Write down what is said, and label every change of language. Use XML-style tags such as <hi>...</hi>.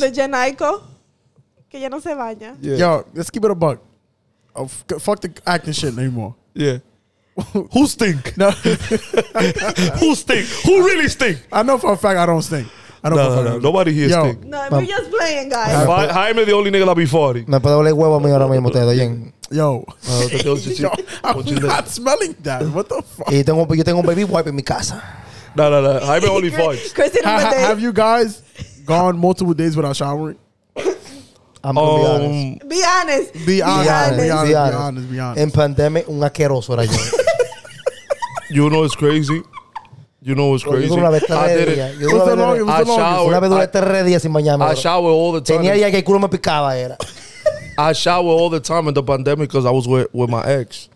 <en>Doing the Genico?</en> <es>Que ya no se baña.</es> <en>Yeah. Yo, let's keep it a buck. Fuck the acting shit anymore. Yeah. Who stink? Who stink? Who really stink? I know for a fact I don't stink. No, nobody here is thinking. No, we're just playing, guys. Jaime the only nigga that be 40.</en> <es>Me puede oler huevo a mí ahora mismo, ustedes oyen.</es> <en>Yo. I'm not smelling that. What the fuck?</en> <es>Y yo tengo un baby wipe en mi casa.</es> <en>No. Jaime only farts. Have you guys gone multiple days without showering? I'm going to be honest. Be honest.</en> <es>En pandemia, un asqueroso era yo.</es> <en>You know it's crazy? You know what's crazy? I showered all the time in the pandemic because I was with my ex.</en>